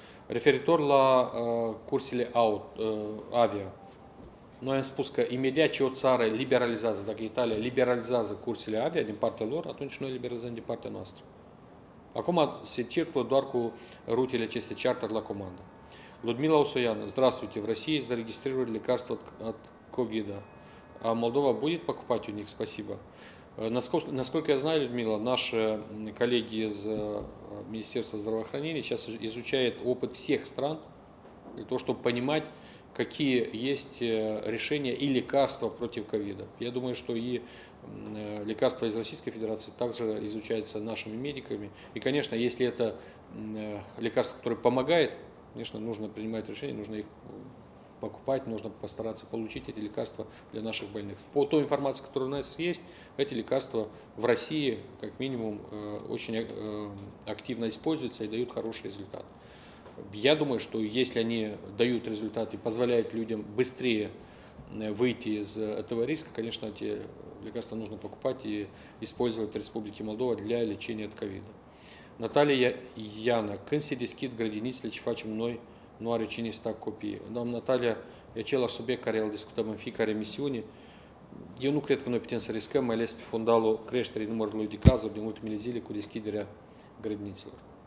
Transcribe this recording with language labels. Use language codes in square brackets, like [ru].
[ro] Referitor la cursurile avia, noi am spus că imediat ce o țară liberalizează, dacă Italia liberalizează cursurile avia din partea lor, atunci noi liberalizăm din partea noastră. Acum se circulă doar cu rutele acestea charter la comandă. [ru] Ludmila Osoian, здравствуйте, в России зарегистрировали лекарства от ковида. А Молдова будет покупать у них? Спасибо. Насколько я знаю, Людмила, наши коллеги из Министерства здравоохранения сейчас изучают опыт всех стран для того, чтобы понимать, какие есть решения и лекарства против ковида. Я думаю, что и лекарства из Российской Федерации также изучаются нашими медиками. И, конечно, если это лекарство, которое помогает, конечно, нужно принимать решение, нужно их покупать, нужно постараться получить эти лекарства для наших больных. По той информации, которая у нас есть, эти лекарства в России, как минимум, очень активно используются и дают хороший результат. Я думаю, что если они дают результат и позволяют людям быстрее выйти из этого риска, конечно, эти лекарства нужно покупать и использовать в Республике Молдова для лечения от ковида. [ro] Наталья Яна, când se deschid grădinițele, ce facem noi, nu are cine sta copii. Doamna Наталья, e același subiect care îl discutăm în fiecare emisiune. Eu nu cred că noi putem să riscăm, mai ales pe fundalul creșterii numărului de cazuri din ultimele zile cu deschiderea grădinițelor.